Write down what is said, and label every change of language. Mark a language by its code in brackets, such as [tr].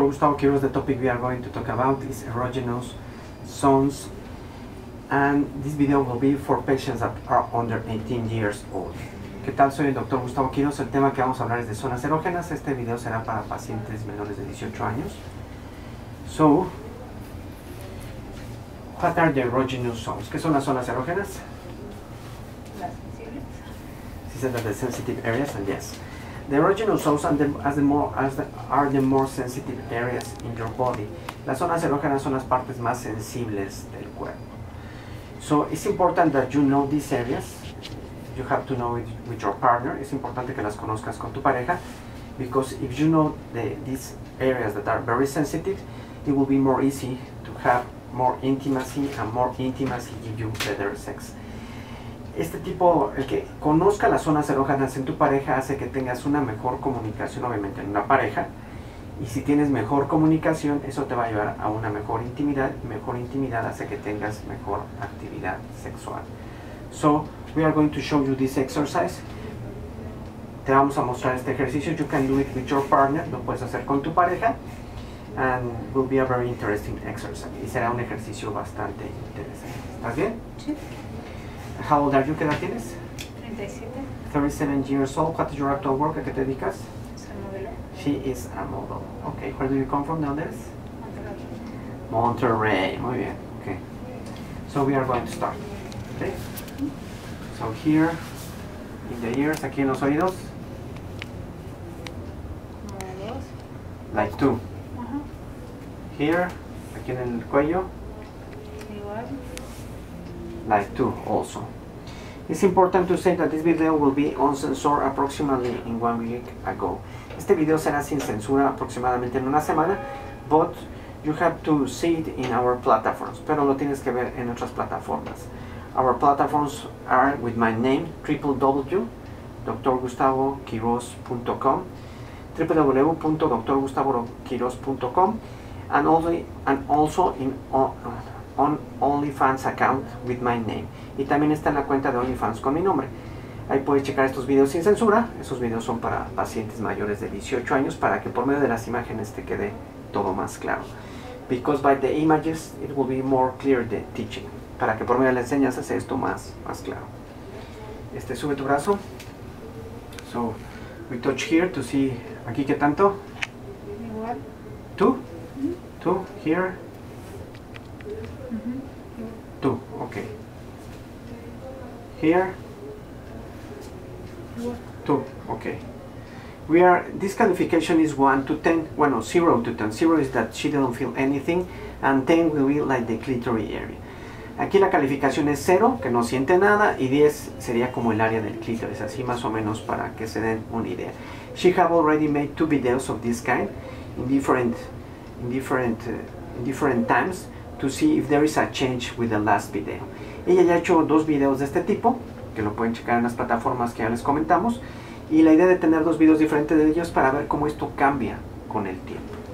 [en] Gustavo Quiroz. The topic we are going to talk about is erogenous zones, and this video will be for patients that are under 18 years old. [es] ¿Qué tal? Soy el Dr. Gustavo Quiroz. El tema que vamos a hablar es de zonas erógenas. Este video será para pacientes menores de 18 años. [en] So, what are the erogenous zones? [es] ¿Qué son las zonas erógenas? Las sensibles. [en] These are the sensitive areas, and yes. The erogenous zones are the more sensitive areas in your body. [es] Las zonas erógenas son las partes más sensibles del cuerpo. [en] So it's important that you know these areas. You have to know it with your partner. [es] Es importante que las conozcas con tu pareja, [en] because if you know these areas that are very sensitive, it will be more easy to have more intimacy give you better sex. [es] Este tipo, el que conozca las zonas erógenas en tu pareja, hace que tengas una mejor comunicación, obviamente, en una pareja. Y si tienes mejor comunicación, eso te va a llevar a una mejor intimidad. Mejor intimidad hace que tengas mejor actividad sexual. [en] So, we are going to show you this exercise. [es] Te vamos a mostrar este ejercicio. [en] You can do it with your partner. [es] Lo puedes hacer con tu pareja. [en] And it will be a very interesting exercise. [es] Y será un ejercicio bastante interesante. ¿Estás bien? Sí. [en] How old are you? [es] ¿Qué edad tienes? 37. [en] 37 years old. What is your actual work? [es] ¿A qué te dedicas? Soy modelo. [en] She is a model. Okay. Where do you come from nowadays? Monterrey. [es] Muy bien. [en] Okay. So we are going to start. Okay. So here, in the ears, [es] aquí en los oídos. [en] Like two. Here, [es] aquí en el cuello. Igual. [en] Like two also. It's important to say that this video will be uncensored approximately in 1 week ago. [es] Este video será sin censura aproximadamente en una semana, [en] but you have to see it in our platforms. [es] Pero lo tienes que ver en otras plataformas. [en] Our platforms are with my name, www.drgustavoquiroz.com, www.drgustavoquiroz.com, and also in on OnlyFans account with my name. [es] Y también está en la cuenta de OnlyFans con mi nombre. Ahí puedes checar estos videos sin censura. Esos videos son para pacientes mayores de 18 años para que por medio de las imágenes te quede todo más claro. [en] Because by the images, it will be more clear the teaching. [es] Para que por medio de la enseñanza sea esto más claro. Sube tu brazo. [en] So, we touch here to see. [es] ¿Aquí qué tanto? Igual. ¿Tú? ¿Tú? ¿Here? Tú, ok. [en] Here. Two, okay. We are, this calification is 1 to 10, [es] bueno, [en] 0 to 10. 0 is that she don't feel anything, and 10 will be like the clitoris area. [es] Aquí la calificación es 0, que no siente nada, y 10 sería como el área del clítoris, así más o menos para que se den una idea. [en] She have already made 2 videos of this kind in different times to see if there is a change with the last video. [es] Ella ya ha hecho 2 videos de este tipo, que lo pueden checar en las plataformas que ya les comentamos, y la idea de tener 2 videos diferentes de ellos para ver cómo esto cambia con el tiempo.